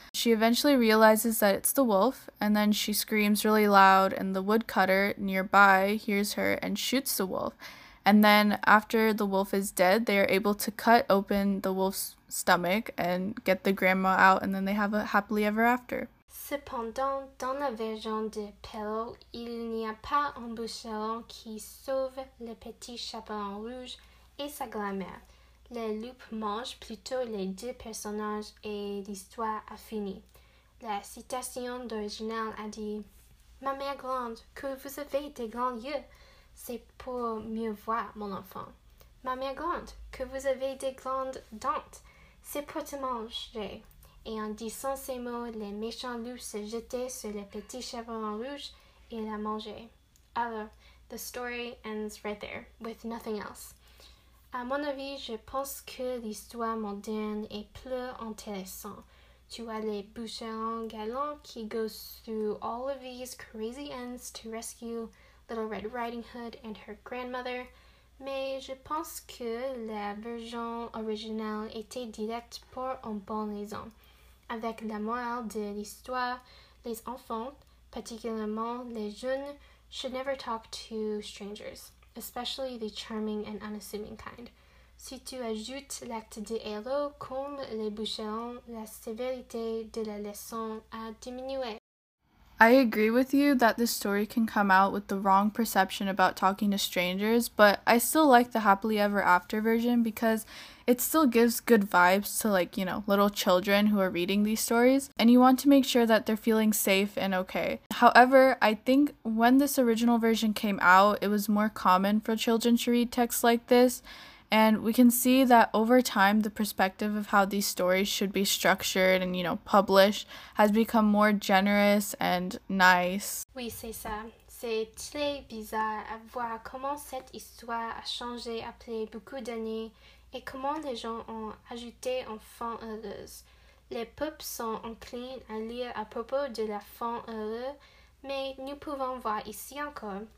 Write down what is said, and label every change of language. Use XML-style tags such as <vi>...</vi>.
<en>She eventually realizes that it's the wolf, and then she screams really loud, and the woodcutter nearby hears her and shoots the wolf. And then after the wolf is dead, they are able to cut open the wolf's stomach and get the grandma out, and then they have a happily ever after.</en> <fr>Cependant, dans la version de Perrault, il n'y a pas un boucheron qui sauve le petit chaperon rouge et sa grand-mère. Le loup mange plutôt les deux personnages et l'histoire a fini. La citation d'original a dit « Ma mère grande, que vous avez des grands yeux, c'est pour mieux voir mon enfant. Ma mère grande, que vous avez des grandes dents, c'est pour te manger. » Et en disant ces mots, le méchant loup se jetait sur le petit chaperon rouge et l'a mangé.</fr> <en>Alors, the story ends right there, with nothing else.</en> <fr>À mon avis, je pense que l'histoire moderne est plus intéressante. Tu as les boucherons galants qui</fr> <en>go through all of these crazy ends to rescue Little Red Riding Hood and her grandmother.</en> <fr>Mais je pense que la version originale était directe pour une bonne raison. Avec la morale de l'histoire, les enfants, particulièrement les jeunes,</fr> <en>should never talk to strangers, especially the charming and unassuming kind.</en> <fr>Si tu ajoutes l'acte de héros comme les boucherons, la sévérité de la leçon a diminué.</fr> <en>I agree with you that the story can come out with the wrong perception about talking to strangers, but I still like the happily ever after version because it still gives good vibes to, like, you know, little children who are reading these stories, and you want to make sure that they're feeling safe and okay. However, I think when this original version came out, it was more common for children to read texts like this, and we can see that over time, the perspective of how these stories should be structured and, you know, published has become more generous and nice.</en> <fr>Oui, c'est ça. C'est très bizarre à voir comment cette histoire a changé après beaucoup d'années et comment les gens ont ajouté une fin heureuse. Les peuples sont enclins à lire à propos de la fin heureuse, mais nous pouvons voir ici encore.</fr>